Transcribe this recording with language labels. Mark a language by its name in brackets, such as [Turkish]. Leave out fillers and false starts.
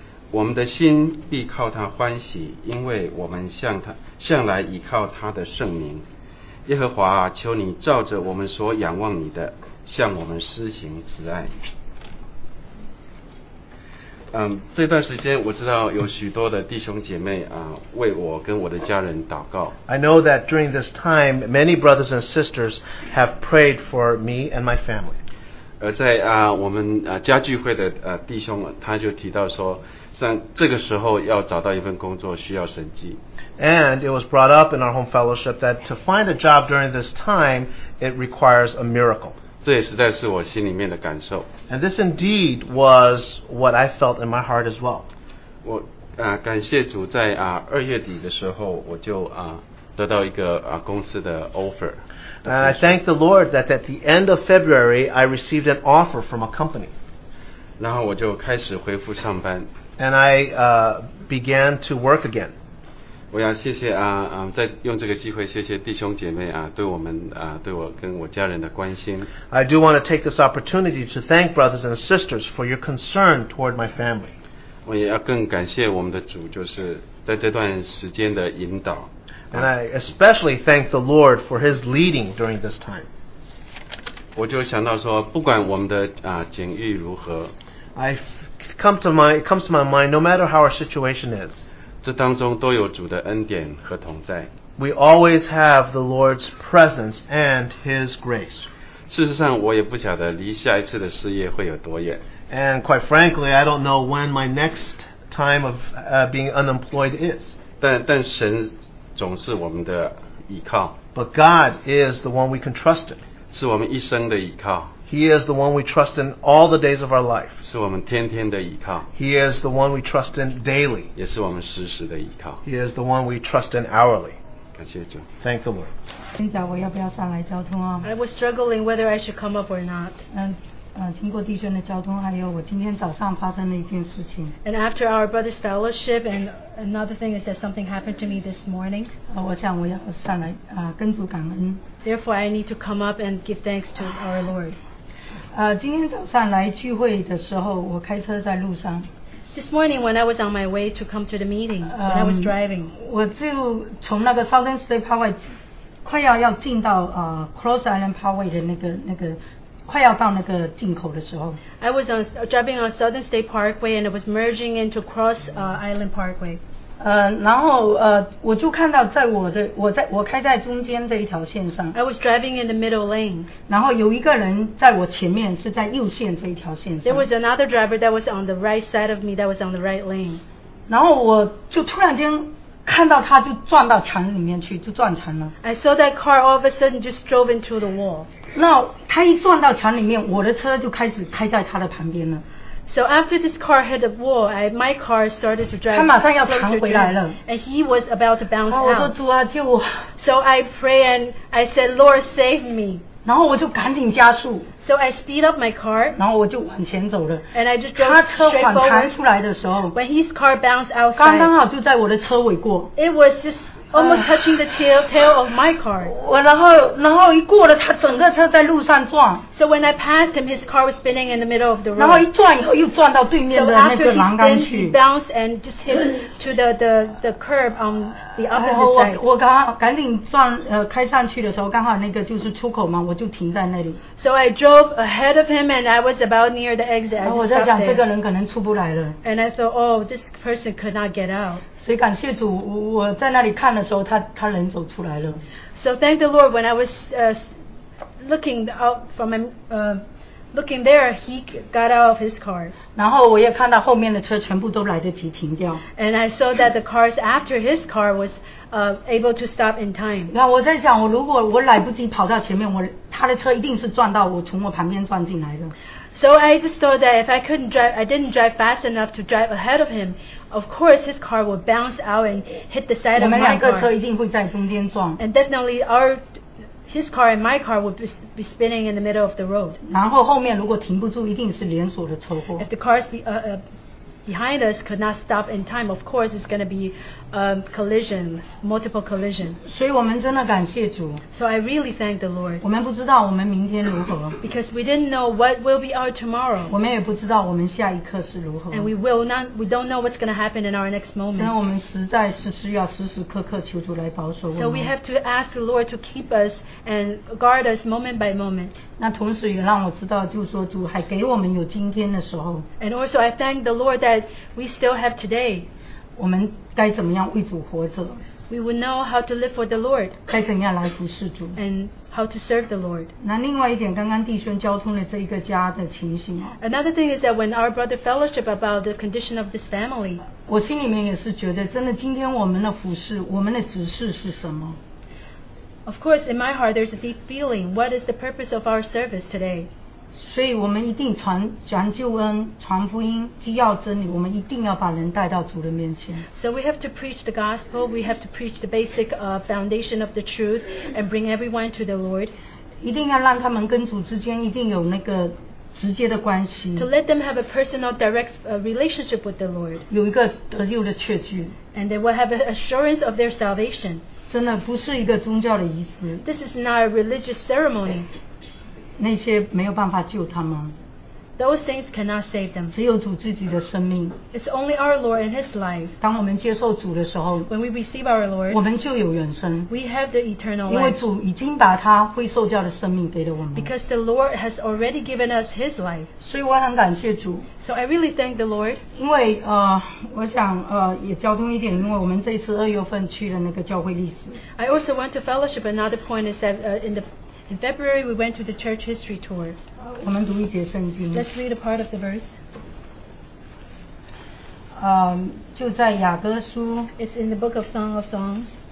[Chinese] 我们的心必靠他欢喜，因为我们向来倚靠他的圣名。耶和华，求你照着我们所仰望你的，向我们施行慈爱。这段时间我知道有许多的弟兄姐妹为我跟我的家人祷告。 [English] I know that during this time, many brothers and sisters have prayed for me and my family. [Chinese] 在我们家聚会的弟兄他就提到说，像这个时候要找到一份工作需要神迹。 [English] And it was brought up in our home fellowship that to find a job during this time, it requires a miracle. [Chinese] 这也实在是我心里面的感受。 [English] And this indeed was what I felt in my heart as well. [Chinese] 我感谢主在二月底的时候我就得到一个公司的 offer。 [English] And I thank the Lord that at the end of February, I received an offer from a company. [Chinese] 然后我就开始恢复上班。 [English] And I began to work again. [Chinese] 我要谢谢再用这个机会谢谢弟兄姐妹对我们对我跟我家人的关心。 [English] I do want to take this opportunity to thank brothers and sisters for your concern toward my family. [Chinese] 我也要更感谢我们的主就是在这段时间的引导。 [English] And I especially thank the Lord for His leading during this time. [Chinese] 我就想到说不管我们的境遇如何。 [English] It comes to my mind, no matter how our situation is, [Chinese] 这当中都有主的恩典和同在。 [English] We always have the Lord's presence and His grace. [Chinese] 事实上，我也不晓得离下一次的事业会有多远。 [English] And quite frankly, I don't know when my next time of being unemployed is. [Chinese] 但神总是我们的依靠。 [English] But God is the one we can trust in. [Chinese] 是我们一生的依靠。 [English] He is the one we trust in all the days of our life. [Chinese] 是我们天天的依靠。 [English] He is the one we trust in daily. [Chinese] 也是我们时时的依靠。 [English] He is the one we trust in hourly. [Chinese] 感谢主。 [English] Thank the Lord. [Chinese] 今早我要不要上来交通啊？ [English] I was struggling whether I should come up or not. [Chinese] 经过弟兄的交通，还有我今天早上发生的一件事情。 [English] And after our brother's fellowship, and another thing is that something happened to me this morning. [Chinese] 我想我要上来跟主感恩。 [English] Therefore, I need to come up and give thanks to our Lord. [Chinese] 今天早上来聚会的时候，我开车在路上。 [English] This morning when I was on my way to come to the meeting, when I was driving, [Chinese] 我就从那个 Southern State Parkway 快要要进到Cross Island Parkway 的那个快要到那个进口的时候。 [English] I was on, driving on Southern State Parkway and it was merging into Cross Island Parkway. [Chinese] 然后我就看到在我的我开在中间这一条线上。 [English] I was driving in the middle lane. [Chinese] 然后有一个人在我前面是在右线这一条线上。 [English] There was another driver that was on the right side of me that was on the right lane. [Chinese] 然后我就突然间看到他就撞到墙里面去，就撞墙了。 [English] I saw that car all of a sudden just drove into the wall. [Chinese] 那他一撞到墙里面，我的车就开始开在他的旁边了。 [English] So after this car hit the wall, my car started to drive. [Chinese] 他马上要弹回来了。 [English] And he was about to bounce out. [Chinese] 我说主啊救我。 [English] So I pray and I said, Lord save me. [Chinese] 然后我就赶紧加速。 [English] So I speed up my car. [Chinese] 然后我就往前走了。 [English] And I just drove straight forward. [Chinese] 他车缓弹出来的时候。 [English] When his car bounced outside. [Chinese] 刚刚好就在我的车尾过。 [English] It was just almost touching the tail of my car. [Chinese] 然后一过了，他整个车在路上撞。 [English] So when I passed him, his car was spinning in the middle of the road. [Chinese] 然后一撞以后又撞到对面的那个栏杆去。 [English] So after he spun, he bounced and just hit to the curb on the opposite side. [Chinese] 我刚赶紧撞开上去的时候，刚好那个就是出口嘛，我就停在那里。 [English] So I drove ahead of him and I was about near the exit. [Chinese] 然后我在想，这个人可能出不来了。 [English] And I thought, oh, this person could not get out. [Chinese] 所以感谢主，我在那里看了。他人走出来了。 [English] So thank the Lord when I was looking out from looking there, he got out of his car. [Chinese] 然后我也看到后面的车全部都来得及停掉。 [English] And I saw that the cars after his car was able to stop in time. [Chinese] 那我在想，我如果我来不及跑到前面，他的车一定是撞到我，从我旁边撞进来的。 [English] So I just thought that if I couldn't drive, I didn't drive fast enough to drive ahead of him, of course his car would bounce out and hit the side of my car. [Chinese] 我们两个车一定会在中间撞。 [English] And definitely his car and my car would be spinning in the middle of the road. [Chinese] 然后后面如果停不住，一定是连锁的车祸。 [English] If the cars behind us could not stop in time, of course it's going to be collision, multiple collision. [Chinese] 所以我们真的感谢主。 [English] So I really thank the Lord. [Chinese] 我们不知道我们明天如何。 [English] Because we didn't know what will be our tomorrow. [Chinese] 我们也不知道我们下一刻是如何。 [English] And we don't know what's going to happen in our next moment. [Chinese] 现在我们实在是需要时时刻刻求主来保守我们。 [English] So we have to ask the Lord to keep us and guard us moment by moment. [Chinese] 那同时也让我知道，就说主还给我们有今天的时候。 [English] And also I thank the Lord that we still have today. [Chinese] 我们该怎么样为主活着？ [English] We will know how to live for the Lord. [Chinese] 该怎样来服侍主？ [English] And how to serve the Lord. [Chinese] 那另外一点，刚刚弟兄交通的这一个家的情形。 [English] Another thing is that when our brother fellowship about the condition of this family. [Chinese] 我心里面也是觉得，真的今天我们的服侍，我们的指示是什么？ [English] Of course, in my heart, there's a deep feeling. What is the purpose of our service today? [Chinese] 所以我们一定传救恩，传福音，既要真理，我们一定要把人带到主的面前。 [English] So we have to preach the gospel, we have to preach the basic foundation of the truth, and bring everyone to the Lord. [Chinese] 一定要让他们跟主之间一定有那个直接的关系。 [English] To let them have a personal direct relationship with the Lord. [Chinese] 有一个得救的确据。 [English] And they will have an assurance of their salvation. [Chinese] 真的不是一个宗教的仪式。 [English] This is not a religious ceremony. [Chinese] 那些没有办法救他们。 [English] Those things cannot save them. [Chinese] 只有主自己的生命。 [English] It's only our Lord and His life. [Chinese] 当我们接受主的时候 [English] ，When we receive our Lord, [Chinese] 我们就有永生。 [English] We have the eternal life. [Chinese] 因为主已经把他会受教的生命给了我们。 [English] Because the Lord has already given us His life. [Chinese] 所以我很感谢主。 [English] So I really thank the Lord. [Chinese] 因为我想也交通一点，因为我们这一次二月份去了那个教会历史。 [English] I also want to fellowship. Another point is that In February, we went to the church history tour. [Chinese] 我们读一节圣经。 [English] Let's read a part of the verse. [Chinese] 就在雅歌书。 [English] It's in the book of Song of Songs.